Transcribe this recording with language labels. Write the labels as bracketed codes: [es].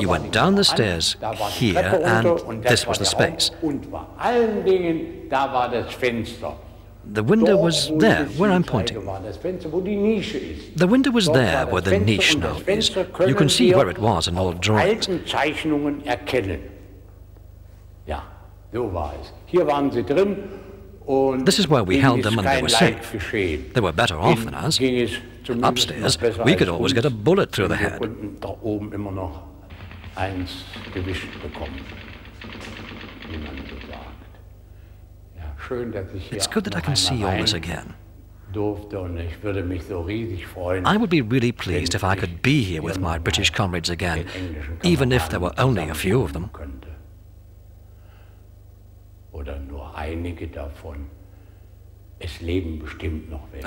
[en] you went down the stairs here, and this was the space. [de] Und vor allen Dingen, da war das Fenster. [en] The window was there, where I'm pointing. The window was there, where the niche now is. You can see where it was in old drawings. [de] Alten Zeichnungen erkennen. Ja. So war es. Hier waren sie drin und [en] this is where we held them and they were safe. [de] Geschehen. [en] They were better off than us. Upstairs, we could always get a bullet through the head. [de] Da oben immer noch eins gewischt bekommen, wie man so sagt. Ja, schön, dass ich [en] it's good that I can see all this again. [de] Ich würde mich so riesig freuen, [en] I would be really pleased if I could be here with my British comrades again, even if there were only a few of them. [de] Oder nur einige davon. Es leben bestimmt noch welche.